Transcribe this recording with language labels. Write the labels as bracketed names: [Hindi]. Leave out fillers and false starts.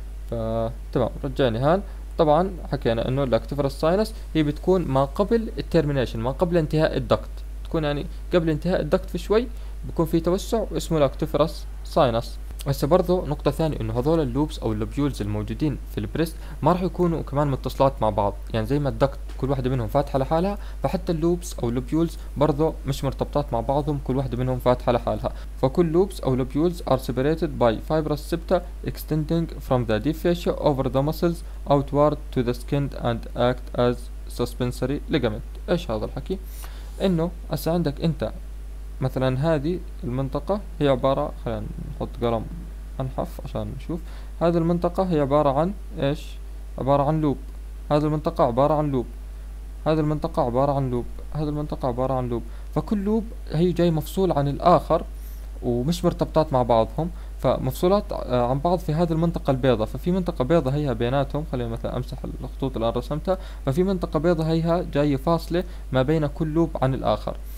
[Arabic] فتمام رجعني هان. طبعا حكينا انه اللاكتوفرس ساينس هي بتكون ما قبل التيرمينيشن، ما قبل انتهاء الدكت، تكون يعني قبل انتهاء الدكت في شوي بيكون في توسع واسمه لاكتوفرس ساينس. هسه برضه نقطة ثانية انه هذول اللوبس او اللوبيولز الموجودين في البريست ما راح يكونوا كمان متصلات مع بعض، يعني زي ما الدكت كل واحدة منهم فاتحة لحالها، فحتى اللوبس او اللوبيولز برضه مش مرتبطات مع بعضهم، كل واحدة منهم فاتحة لحالها. فكل لوبس او اللوبيولز [English] are separated by fibrous septa extending from the deep fascia over the muscles outward to the skin and act as suspensory ligament. [Arabic] ايش هذا الحكي؟ انه هسه عندك انت مثلا هذه المنطقة هي عبارة، خلينا نحط قلم أنحف عشان نشوف، هذه المنطقة هي عبارة عن إيش؟ عبارة عن لوب، هذه المنطقة عبارة عن لوب، هذه المنطقة عبارة عن لوب، هذه المنطقة عبارة عن لوب، فكل لوب هي جاي مفصول عن الآخر ومش مرتبطات مع بعضهم، فمفصولات عن بعض في هذه المنطقة البيضاء، ففي منطقة بيضاء هيها بيناتهم، خلينا مثلا أمسح الخطوط اللي أنا رسمتها، ففي منطقة بيضاء هيها جاية فاصلة ما بين كل لوب عن الآخر.